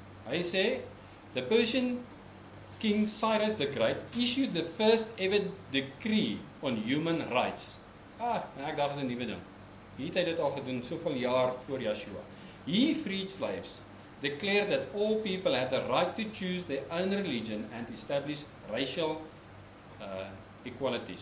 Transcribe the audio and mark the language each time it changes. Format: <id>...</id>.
<af>Hy sê,</af> <en>the Persian King Cyrus the Great issued the first ever decree on human rights.</en> <af>Ek dacht is 'n nuwe ding. Hier het hy dit al gedoen soveel jaar voor Yeshua.</af> <en>He freed slaves, declared that all people had the right to choose their own religion and establish racial equality.</en>